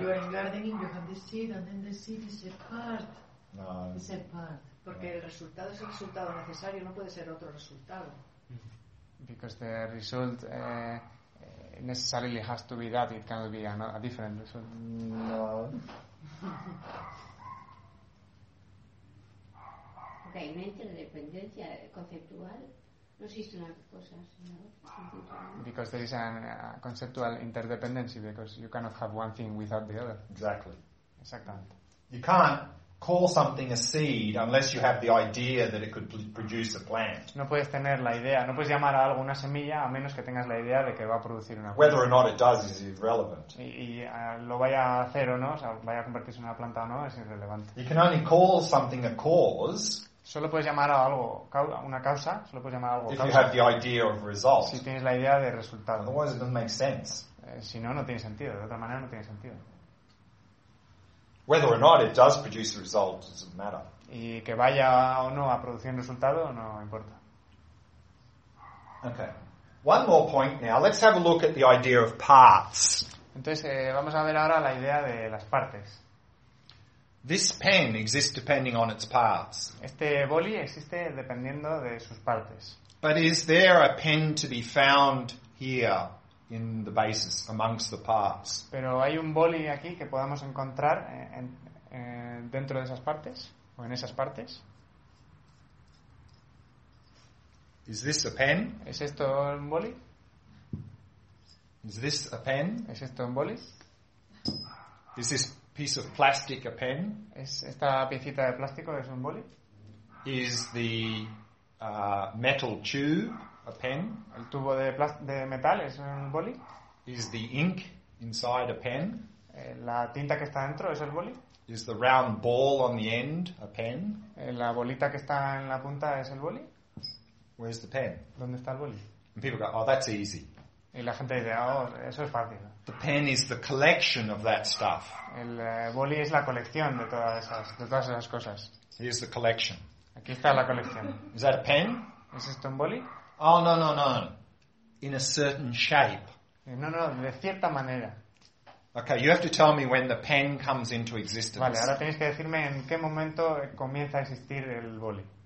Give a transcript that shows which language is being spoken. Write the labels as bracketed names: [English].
[English] You are gardening, you have the seed, and then the seed is a part. No. It's a part. [Spanish] Porque el resultado es el resultado necesario, no puede ser otro resultado. [English] Because the result necessarily has to be that, it cannot be a different result. No. [Spanish] Realmente la dependencia conceptual no existe una cosa, sino [English] because there is a conceptual interdependency, because you cannot have one thing without the other. Exactly. [Spanish] Exactamente. [English] You can't call something a seed unless you have the idea that it could produce a plant. [Spanish] No puedes tener la idea, no puedes llamar a algo una semilla a menos que tengas la idea de que va a producir una planta. [English] Whether or not it does is irrelevant. [Spanish] Y lo vaya a hacer o no, o sea, vaya a convertirse en una planta o no, es irrelevante. [English] You can only call something a cause. [Spanish] Solo puedes llamar a algo una causa, solo puedes llamar a algo [English] if [Spanish] causa. [English] If you have the idea of result. [Spanish] Si tienes la idea de resultado. [English] Otherwise it doesn't make sense. [Spanish] Si no, no tiene sentido, de otra manera no tiene sentido. [English] Whether or not it does produce a result doesn't matter. [Spanish] Y que vaya o no a producir un resultado no importa. [English] Okay. One more point now. Let's have a look at the idea of parts. [Spanish] Entonces vamos a ver ahora la idea de las partes. [English] This pen exists depending on its parts. [Spanish] Este boli existe dependiendo de sus partes. [English] But is there a pen to be found here in the basis amongst the parts? [Spanish] Pero hay un boli aquí que podamos encontrar dentro de esas partes o en esas partes. [English] Is this a pen? [Spanish] ¿Es esto un boli? [English] Is this a pen? [Spanish] ¿Es esto un boli? [English] Is this piece of plastic a pen? [Spanish] ¿Es esta piecita de plástico es un boli? [English] Is the metal tube a pen? [Spanish] ¿El tubo de metal es un boli? [English] Is the ink inside a pen? [Spanish] ¿La tinta que está dentro es el boli? [English] Is the round ball on the end a pen? [Spanish] ¿La bolita que está en la punta es el boli? [English] Where's the pen? [Spanish] ¿Dónde está el boli? [English] And people go, oh, that's easy. [Spanish] Y la gente dice, oh, eso es fácil. [English] The pen is the collection of that stuff. [Spanish] El boli es la colección de todas esas cosas. [English] Here's the collection. [Spanish] Aquí está la colección. [English] Is that a pen? [Spanish] ¿Es esto un boli? [English] Oh, no. In a certain shape. [Spanish] No, de cierta manera. [English] Okay, you have to tell me when the pen comes into existence. [Spanish] Vale, ahora tienes que decirme en qué momento comienza a existir el boli.